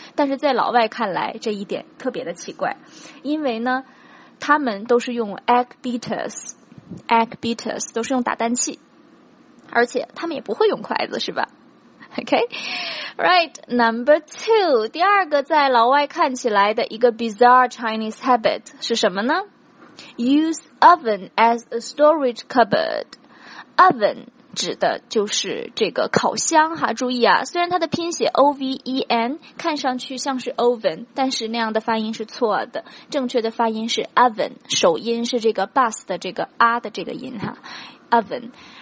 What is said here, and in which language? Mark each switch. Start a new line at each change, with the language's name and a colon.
Chinese: 但是在老外看来，这一点特别的奇怪，因为呢，他们都是用 egg beaters 都是用打蛋器，而且他们也不会用筷子，是吧？
English: OK， right， number two，
Chinese: 第二个在老外看起来的一个
English: bizarre Chinese habit
Chinese: 是什么呢？
English: Use oven as a storage cupboard。
Chinese: Oven指的就是这个烤箱哈，注意啊，虽然它的拼写 oven 看上去像是 oven， 但是那样的发音是错的，正确的发音是 oven， 首音是这个 bus 的这个 r 的这个音哈， oven。